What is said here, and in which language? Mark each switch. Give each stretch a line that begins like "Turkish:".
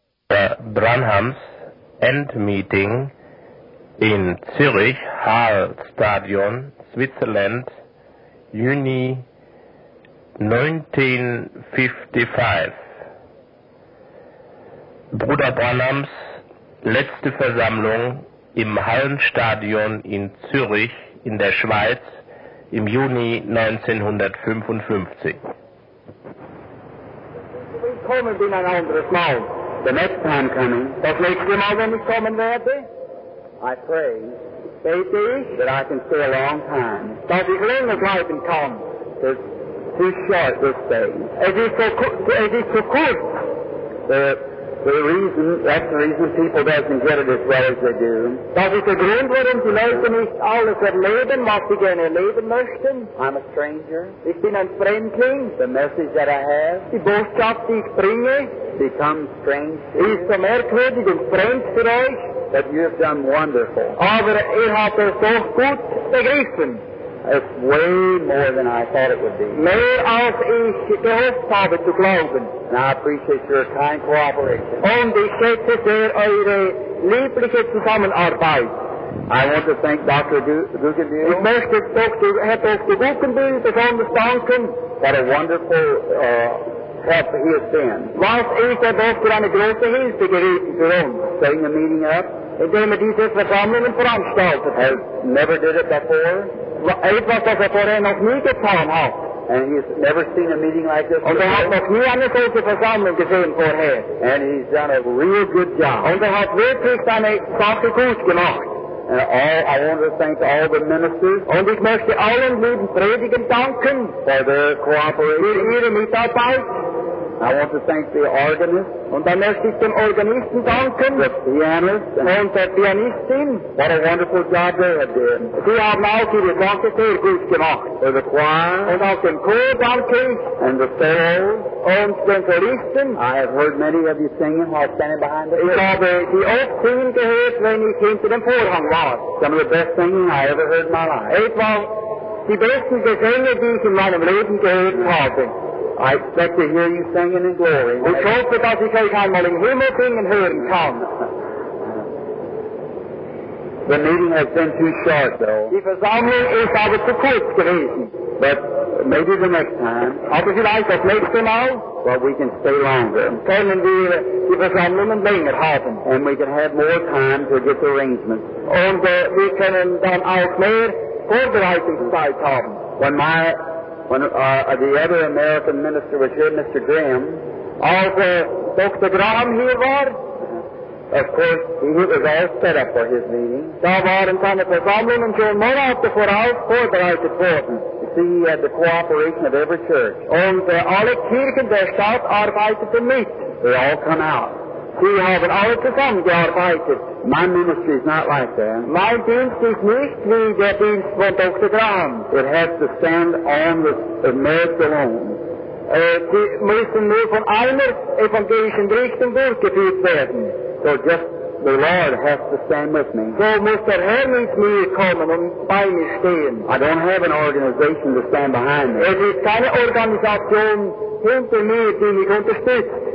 English: Branham's end meeting in Zurich Hall Stadion, Switzerland, June 1955.
German: Bruder Branhams letzte Versammlung im Hallenstadion in Zürich in der Schweiz im Juni 1955. Wir kommen in ein anderes Mal.
English: The next time coming.
German: Das nächste Mal, wenn ich kommen werde.
English: I pray, baby, that I can stay a long time.
German: Dass ich länger bleiben kann.
English: It's too short this day.
German: Es ist so kurz.
English: That's the reason people doesn't get it as well as they do.
German: Das ist der Grund, warum die Leute nicht alles erleben, was sie gerne erleben möchten.
English: I'm a stranger.
German: Ich bin ein Fremdling.
English: The message that I have.
German: Die Botschaft, die ich bringe.
English: Become strange.
German: Ist so merkwürdig und fremd für euch.
English: But you have done wonderful.
German: Aber ihr habt es so gut begriffen.
English: It's way more than I thought it would be.
German: Mehr als ich gehofft habe zu glauben.
English: And I appreciate your kind cooperation.
German: Und ich schätze sehr eure liebliche Zusammenarbeit.
English: I want to thank Dr. Guggenbühl.
German: Ich möchte Dr. Herr Guggenbühl besonders danken.
English: What a wonderful help he has been.
German: Was ist er doch für eine große Hilfe gewesen für uns?
English: Setting the meeting up.
German: Indem er diese Versammlung veranstaltet.
English: Has never did it before.
German: Etwas, das er vorher noch nie getan hat.
English: And he's never seen a meeting like this.
German: Und hat noch nie eine solche Versammlung gesehen vorher.
English: And he's done a real good job.
German: Und hat wirklich seine Sache gut gemacht.
English: And I want to thank all the ministers.
German: Und ich möchte allen lieben Predigern danken.
English: For their cooperation.
German: Für ihre Mitarbeit.
English: I want to thank the organist.
German: Und dann möchte ich dem Organisten danken.
English: The pianist.
German: Und der Pianistin.
English: What a wonderful job they have done.
German: Sie haben auch ihre Sache sehr gut gemacht.
English: For the choir.
German: Und auch dem Chor danke ich.
English: And the soloist.
German: Und den Solisten.
English: I have heard many of you singing while standing behind the curtain.
German: Ich habe sie oft singen gehört, wenn ich hinter dem Vorhang war.
English: Some of the best singing I ever heard in my life.
German: Etwas die besten Gesänge, die ich in meinem Leben gehört habe.
English: I expect to hear you singing in glory.
German: Und ich hoffe, dass ich euch einmal im Himmel singen hören kann.
English: The meeting has been too short, though.
German: Die Versammlung ist aber zu kurz gewesen.
English: But maybe the next time.
German: Aber vielleicht das nächste Mal.
English: Well, we can stay longer.
German: Können wir die Versammlung länger haben.
English: And we can have more time to get the arrangements.
German: Und wir können dann auch mehr Vorbereitungszeit haben.
English: When the other American minister was here, Mr. Graham.
German: Als Dr. Graham hier war.
English: Of course, he was all set up for his meeting.
German: Da waren seine Versammlungen schon Monate voraus vorbereitet worden.
English: You see, he had the cooperation of every church.
German: Und alle Kirchen der Stadt arbeiteten mit.
English: They all come out.
German: Sie haben alle zusammengearbeitet.
English: My ministry is not like that.
German: Mein Dienst ist nicht wie der Dienst von Dr. Graham.
English: It has to stand on the merit alone.
German: Sie müssen nur von einer evangelischen Richtung durchgeführt werden.
English: So just the Lord has to stand with me.
German: So muss der Herr mit mir kommen und bei mir stehen.
English: I don't have an organization to stand behind me.
German: Es ist keine Organisation hinter mir, die mich unterstützt.